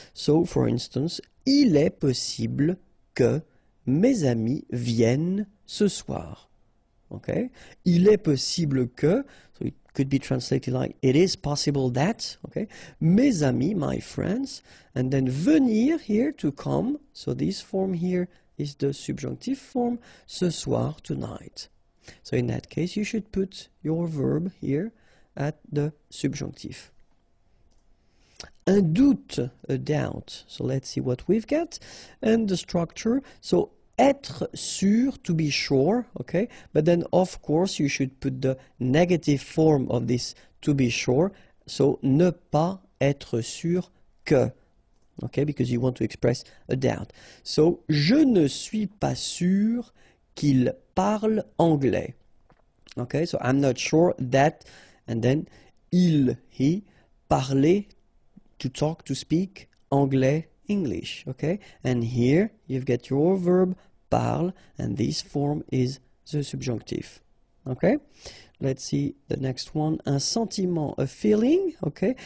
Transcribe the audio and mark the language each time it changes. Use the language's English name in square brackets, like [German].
[English] So, for instance, [French] il est possible que mes amis viennent ce soir. [English] Okay? [French] Il est possible que, [English] so it could be translated like, it is possible that, okay? [French] Mes amis, [English] my friends, and then venir here to come, so this form here is the subjunctive form, [French] ce soir, [English] tonight. So in that case, you should put your verb here at the subjunctive. [French] Un doute, [English] a doubt, so let's see what we've got, and the structure, so [French] être sûr, [English] to be sure, okay? But then, of course, you should put the negative form of this to be sure. [French] So, ne pas être sûr que, okay? [English] Because you want to express a doubt. [French] So, je ne suis pas sûr qu'il parle anglais. [English] Okay, so I'm not sure that, and then, il, he, parler, to talk, to speak, anglais, English, okay? And here, you've got your verb, parle, and this form is the subjunctive. Okay? Let's see the next one. [French] Un sentiment, [English] a feeling. Okay?